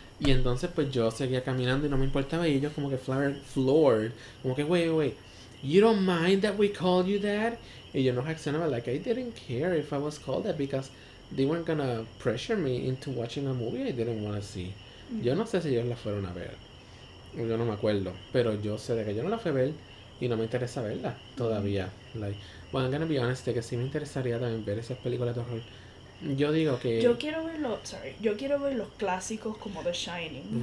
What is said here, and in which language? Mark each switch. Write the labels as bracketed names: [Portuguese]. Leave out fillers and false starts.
[Spanish] Y entonces, pues, yo seguía caminando y no me importaba. Y ellos como que floored. Como que, wait. [English] You don't mind that we call you that? [Spanish] Y yo no reaccionaba. [English] Like, I didn't care if I was called that because they weren't gonna pressure me into watching a movie I didn't want to see. [Spanish] Yo no sé si ellos la fueron a ver. Yo no me acuerdo. Pero yo sé de que yo no la fui a ver. Y no me interesa verla todavía. [English] Like, well, I'm gonna be honest, [Spanish] que sí me interesaría también ver esas películas de horror. Yo digo que... Yo quiero ver los clásicos como The Shining.